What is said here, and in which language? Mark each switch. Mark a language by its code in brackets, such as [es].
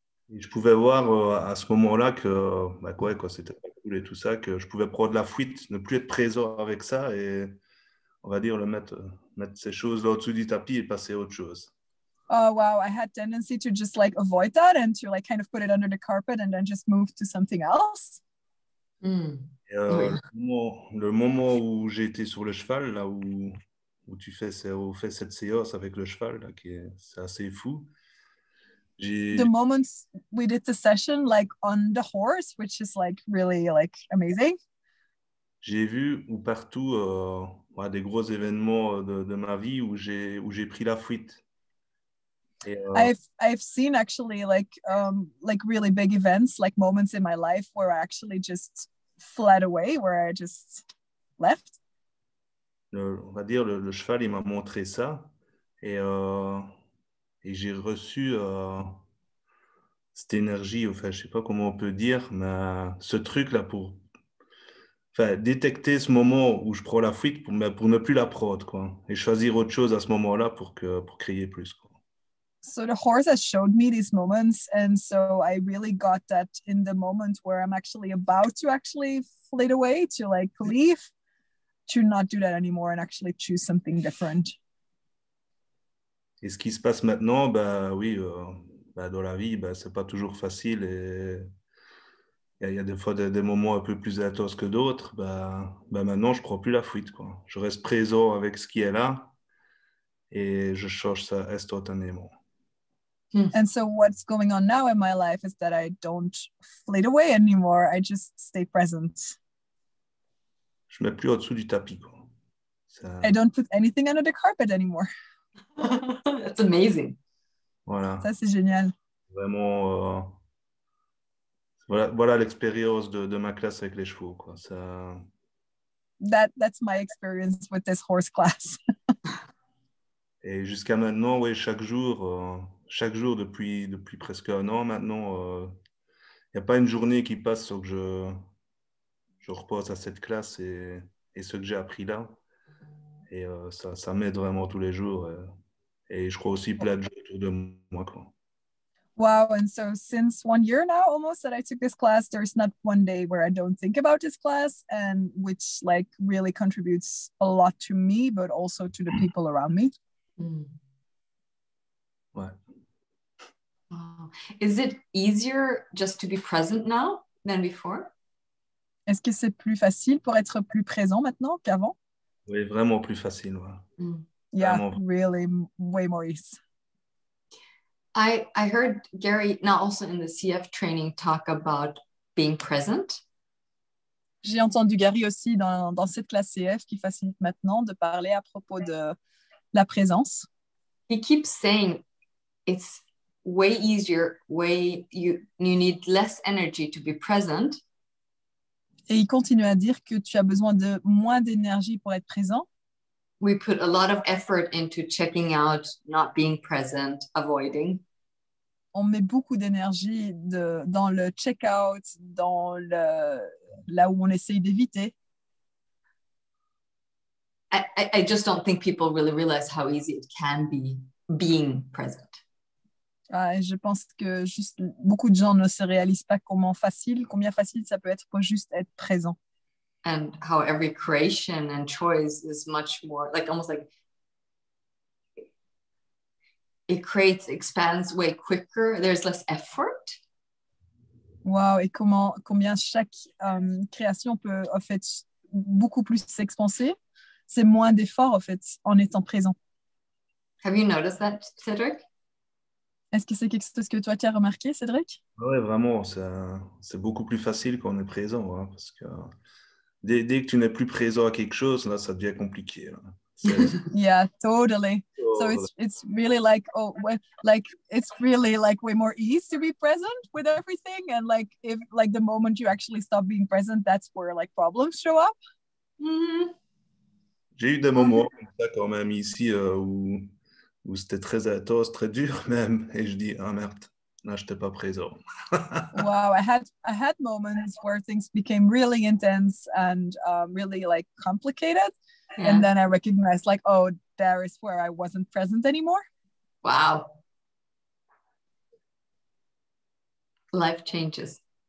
[fr] Et je pouvais voir à ce moment-là que quoi c'était pas cool et tout ça, que je pouvais prendre la fuite, ne plus être présent avec ça et on va dire, le mettre ces choses-là au-dessus du tapis et passer à autre chose. [en] Oh, wow. I had tendency to just like avoid that and to like kind of put it under the carpet and then just move to something else. Mm. [fr] Le moment où j'étais sur le cheval, là où tu fais cette séance avec le cheval, là, c'est assez fou. [en] The moment we did the session like on the horse, which is like really like amazing. [fr] J'ai vu ou partout des gros événements de ma vie où j'ai pris la fuite. [en] I've seen actually like really big events, like moments in my life where I actually just fled away, where I just left. [fr] On va dire le cheval, il m'a montré ça et j'ai reçu cette énergie, enfin je sais pas comment on peut dire, mais ce truc là pour détecter ce moment où je prends la fuite pour ne plus la prendre, quoi, et choisir autre chose à ce moment-là pour créer plus, quoi. [en] So the horse has showed me these moments, and so I really got that in the moment where I'm actually about to actually flit away, to like leave, to not do that anymore and actually choose something different. [fr] Et ce qui se passe maintenant, dans la vie, c'est pas toujours facile, et il y a des fois des moments un peu plus intenses que d'autres. Maintenant, je prends plus la fuite, quoi. Je reste présent avec ce qui est là et je change ça instantanément. [en] And so what's going on now in my life is that I don't flit away anymore. I just stay present. [fr] Je mets plus au-dessous du tapis, quoi. [en] I don't put anything under the carpet anymore. That's amazing. [fr] Voilà. Ça, c'est génial. Vraiment, voilà l'expérience de ma classe avec les chevaux, quoi. Ça... [en] That's my experience with this horse class. [fr] Et jusqu'à maintenant, oui, chaque jour... Chaque jour depuis presque un an maintenant, y a pas une journée qui passe sans que je repasse à cette classe et ce que j'ai appris là. Et ça m'aide vraiment tous les jours. Et je crois aussi plein de gens autour de moi, quoi. [en] Wow, and so since 1 year now almost that I took this class, there's not one day where I don't think about this class, and which like really contributes a lot to me, but also to the people around me. [fr] Ouais. [en] Is it easier just to be present now than before? [fr] Est-ce que c'est plus facile pour être plus présent maintenant qu'avant? Oui, vraiment plus facile. Ouais. [en] Mm. Yeah, [fr] vraiment. [en] Really, way more ease. I heard Gary, now also in the CF training, talk about being present. [fr] J'ai entendu Gary aussi dans cette classe CF qui facilite maintenant de parler à propos de la présence. [en] He keeps saying it's way easier, way you need less energy to be present. [fr] Et il continue à dire que tu as besoin de moins d'énergie pour être présent. [en] We put a lot of effort into checking out, not being present, avoiding. [fr] On met beaucoup d'énergie dans le check out, dans le là où on essaye d'éviter. [en] I just don't think people really realize how easy it can be being present. [fr] Je pense que juste beaucoup de gens ne se réalisent pas combien facile ça peut être pour juste être présent. [en] And how every creation and choice is much more, like almost like it creates, expands way quicker, there's less effort. [fr] Wow, et combien chaque création peut en fait beaucoup plus s'expanser, c'est moins d'effort en fait en étant présent. [en] Have you noticed that, Cedric? [fr] Est-ce que c'est quelque chose que toi tu as remarqué, Cédric? Oui, vraiment, c'est beaucoup plus facile quand on est présent, hein, parce que dès que tu n'es plus présent à quelque chose, là, ça devient compliqué. Là. [en] Yeah, totally. Oh, so it's really like it's really like way more easy to be present with everything, and like if like the moment you actually stop being present, that's where like problems show up. Mm-hmm. [fr] J'ai eu des moments comme ça quand même ici où c'était très intense, très dur même, et je dis, ah merde, là j'étais pas présent. [en] Wow, I had moments where things became really intense and really like complicated, yeah. And then I recognized like, oh, there is where I wasn't present anymore. Wow. Life changes.